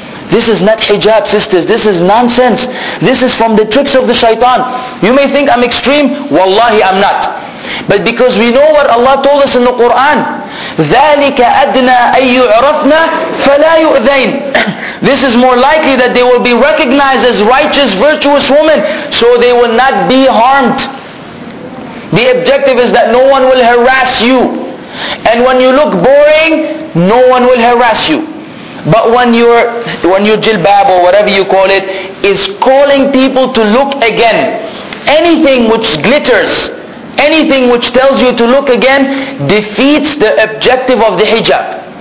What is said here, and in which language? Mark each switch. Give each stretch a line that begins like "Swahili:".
English: This is not hijab, sisters. This is nonsense. This is from the tricks of the shaitan. You may think I'm extreme. Wallahi, I'm not. But because we know what Allah told us in the Quran,
Arabic: ذلك أدنى أن يعرفنا فلا يؤذين.
English: This is more likely that they will be recognized as righteous, virtuous women, so they will not be harmed. The objective is that no one will harass you. And when you look boring, no one will harass you. But when your jilbab or whatever you call it is calling people to look again, anything which glitters, anything which tells you to look again, defeats the objective of the hijab.